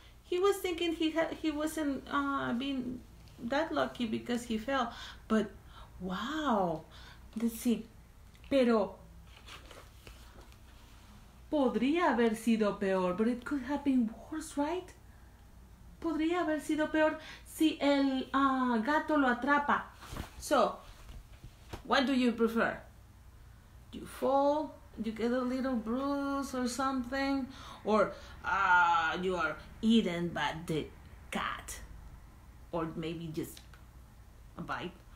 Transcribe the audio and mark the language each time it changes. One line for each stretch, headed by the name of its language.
English: He was thinking he wasn't being that lucky because he fell. But, wow. Let's see. Pero.
Spanish: Podría haber sido peor,
English: but it could have been worse, right?
Spanish: Podría haber sido peor si el gato lo atrapa.
English: So, what do you prefer? You fall, you get a little bruise or something, or you are eaten by the cat, or maybe just a bite.